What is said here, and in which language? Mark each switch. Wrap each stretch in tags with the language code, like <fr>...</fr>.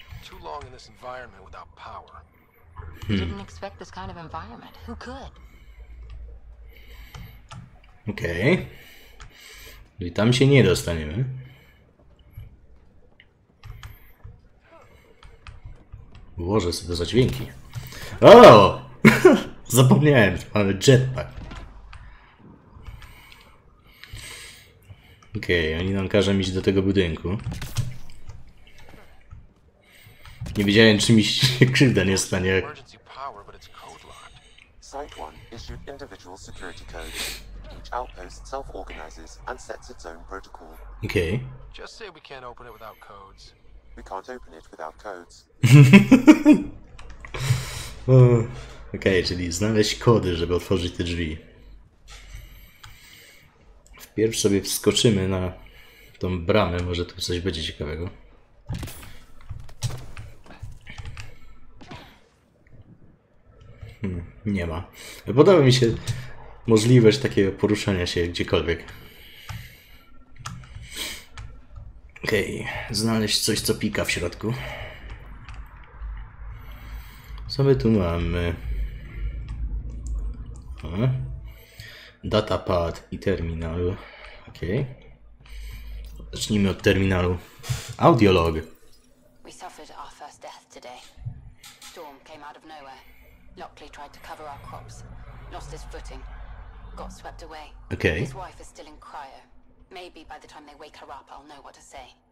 <en>Too long in this environment without power. Didn't expect this kind of environment. Who could?</en> <pl>Okej. I tam się nie dostaniemy. Boże, co to za dźwięki. O! Zapomniałem, że mamy jetpack. Okej, oni nam każą iść do tego budynku. Nie wiedziałem, czy mi się krzywda nie stanie.</pl> <en>Emergency power, but it's code locked. Site one issued individual security codes. Each outpost self-organizes and sets its own protocol.</en> <pl>Okej.</pl> <en>Just say we can't open it without codes. We can't open it without codes.</en> <pl>Okej, czyli znaleźć kody, żeby otworzyć te drzwi. Wpierw sobie wskoczymy na tą bramę, może tu coś będzie ciekawego. Nie ma. Podoba mi się możliwość takiego poruszania się gdziekolwiek. Okej, znaleźć coś, co pika w środku. Co my tu mamy? Datapad i terminal. Okej. Zacznijmy od terminalu. Audiolog.</pl> <en>Suffered our first death today. Storm came out of nowhere. Lockley tried to cover our crops. Lost his footing. Got swept away. His</en> <pl>Okej.</pl> <en>wife is still in cryo. Maybe by the time they wake her up, I'll know what to say.</en>